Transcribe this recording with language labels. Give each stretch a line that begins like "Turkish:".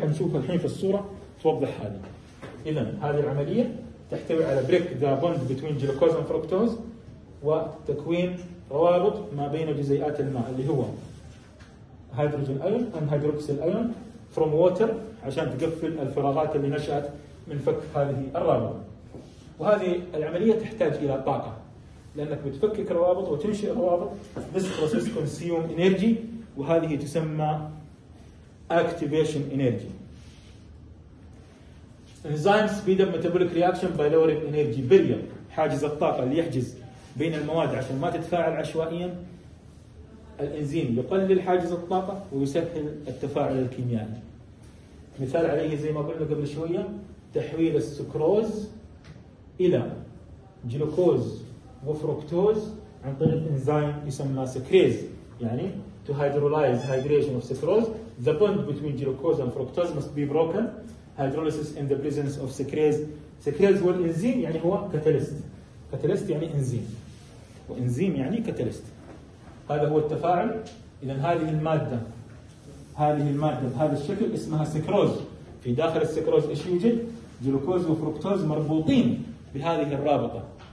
Arabic: حنشوفها الحين في الصورة توضح هذه. إذا هذه العملية تحتوي على بريك ذا بوند بين جلوكوز وفركتوز وتكوين روابط ما بين جزيئات الماء اللي هو هيدروجين أيون وهيدروكسيل أيون
English: from water
Arabic: عشان تقفل الفراغات اللي نشأت من فك هذه الروابط. وهذه العملية تحتاج إلى طاقة، لأنك بتفكك الروابط وتنشئ الروابط.
English: This process consumes energy،
Arabic: وهذه تسمى
English: activation energy. Enzymes speed up metabolic reaction by lowering energy barrier،
Arabic: حاجز الطاقة اللي يحجز بين المواد عشان ما تتفاعل عشوائيا. الإنزيم يقلل حاجز الطاقة ويسهل التفاعل الكيميائي. مثال عليه زي ما قلنا قبل شوية، تحويل السكروز إلى جلوكوز وفركتوز عن طريق إنزيم يسمى سكريز، يعني
English: to hydrolyze hydration of sucrose. The bond between glucose and fructose must be broken. Hydrolysis in the presence of sucrase.
Arabic: Sucrase هو الإنزيم، يعني هو كاتاليست. كاتاليست يعني إنزيم، وإنزيم يعني كاتاليست. هذا هو التفاعل. إذا هذه المادة بهذا الشكل اسمها سكروز. في داخل السكروز إيش يوجد؟ جلوكوز وفركتوز مربوطين بهذه الرابطة.